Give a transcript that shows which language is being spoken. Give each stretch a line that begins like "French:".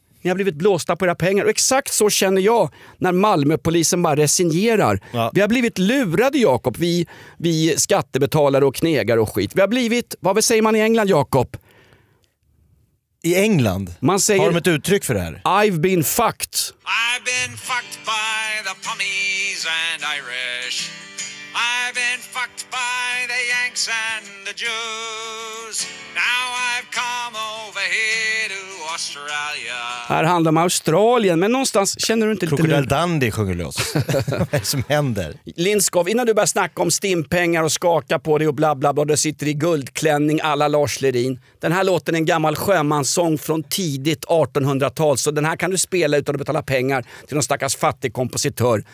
Swedish: Ni har blivit blåsta på era pengar. Och exakt så känner jag när Malmöpolisen bara resignerar. Ja. Vi har blivit lurade, Jakob. Vi skattebetalare och knegar och skit. Vi har blivit, vad säger man i England, Jakob? I England? Man säger, har de ett uttryck för det här?
English: I've been fucked. I've been fucked by the pummies and Irish. I've been fucked by the Yanks and the Jews. Now I've come over here to Australia.
Swedish: Här handlar om Australien, men någonstans känner du inte lite... Krokodil Dandy sjunger loss. Vad som händer? Lindskov, innan du börjar snacka om stimpengar och skaka på dig och bla bla bla, du sitter i guldklänning alla Lars Lerin. Den här låten är en gammal sjömanssång från tidigt 1800-tal, så den här kan du spela utan att betala pengar till någon stackars fattig kompositör.